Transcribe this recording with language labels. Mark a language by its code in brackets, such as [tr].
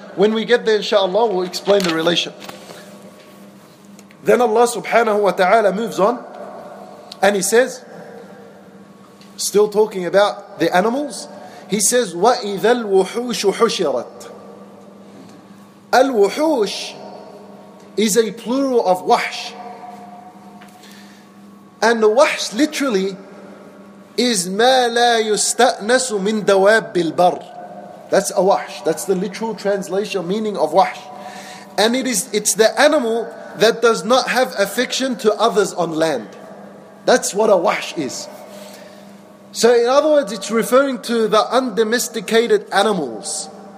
[en] When we get there, inshaAllah, we'll explain the relation. Then Allah subhanahu wa ta'ala moves on and He says, still talking about the animals, He says, [ar] وَإِذَا الْوُحُوشُ حُشِرَتْ. [en] Al-wuhush is a plural of wahsh. And the wahsh literally is [ar] مَا لَا يُسْتَأْنَسُ مِنْ دَوَابِّ الْبَرِّ. [en] That's a wahsh. That's the literal translation meaning of wahsh. And it's the animal that does not have affection to others on land. That's what a wahsh is. So in other words, it's referring to the undomesticated animals.